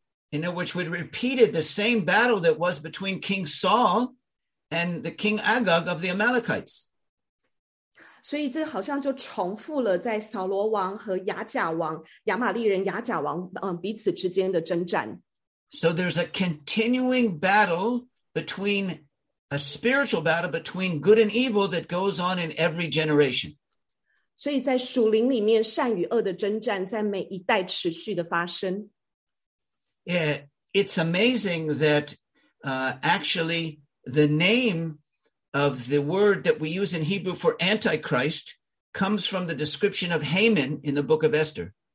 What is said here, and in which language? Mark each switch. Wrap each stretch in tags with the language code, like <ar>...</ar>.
<en>In which we repeated the same battle that was between King Saul and the King Agag of the Amalekites.</en> <zh>所以这好像就重复了在扫罗王和亚甲王亚玛利人亚甲王 彼此之间的征战。</zh> <en>So there's a continuing battle between, a spiritual battle between good and evil that goes on in every generation.</en> <zh>所以在属灵里面善与恶的征战在每一代持续的发生。</zh> <en>It's amazing that actually the name of the word that we use in Hebrew for Antichrist comes from the description of Haman in the book of Esther.</en>